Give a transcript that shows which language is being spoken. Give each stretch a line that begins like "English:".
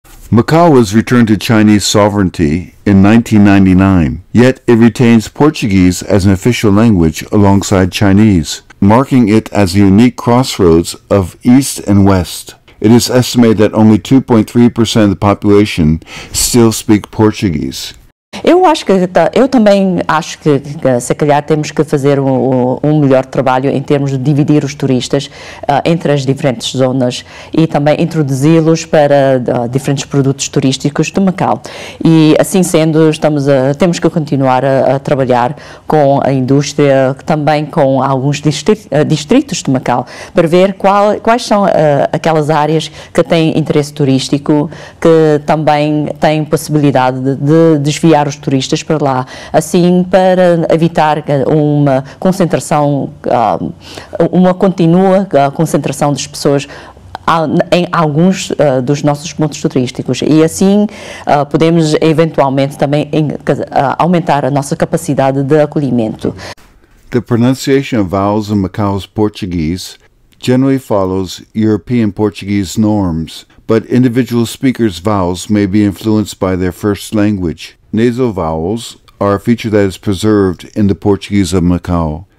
English: Macau was returned to Chinese sovereignty in 1999, yet it retains Portuguese as an official language alongside Chinese, marking it as a unique crossroads of East and West. It is estimated that only 2.3% of the population still speak Portuguese.
Portuguese: Eu também acho que se calhar temos que fazer um melhor trabalho em termos de dividir os turistas entre as diferentes zonas e também introduzi-los para diferentes produtos turísticos de Macau. E assim sendo, temos que continuar a trabalhar com a indústria, também com alguns distritos de Macau, para ver quais são aquelas áreas que têm interesse turístico, que também têm possibilidade de desviar os turistas para lá, assim para evitar uma concentração, uma contínua concentração das pessoas em alguns dos nossos pontos turísticos. E assim podemos eventualmente também aumentar a nossa capacidade de acolhimento.
English: The pronunciation of vowels in Macau's Portuguese generally follows European Portuguese norms, but individual speakers' vowels may be influenced by their first language. Nasal vowels are a feature that is preserved in the Portuguese of Macau.